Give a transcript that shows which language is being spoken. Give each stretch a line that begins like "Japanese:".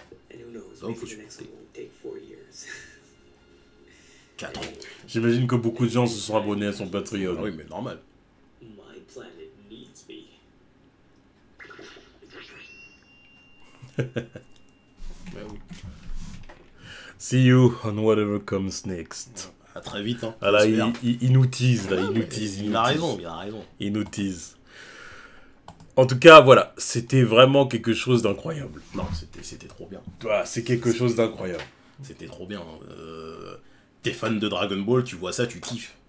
English: And who knows, maybe the next one won't take 4 years.
French: 4 ans. J'imagine que beaucoup de gens se sont abonnés à son Patreon. Oui, mais normal.
English: My planet needs me.
French: Ben oui.
English: See you on whatever comes next.
French: À très vite, hein. Ah là, il nous tease, là. Il nous tease. Il a raison, il a raison. Il nous tease. En tout cas, voilà. C'était vraiment quelque chose d'incroyable. Non, c'était trop bien. Voilà, c'est quelque chose d'incroyable. C'était trop bien. T'es fan de Dragon Ball, tu vois ça, tu kiffes.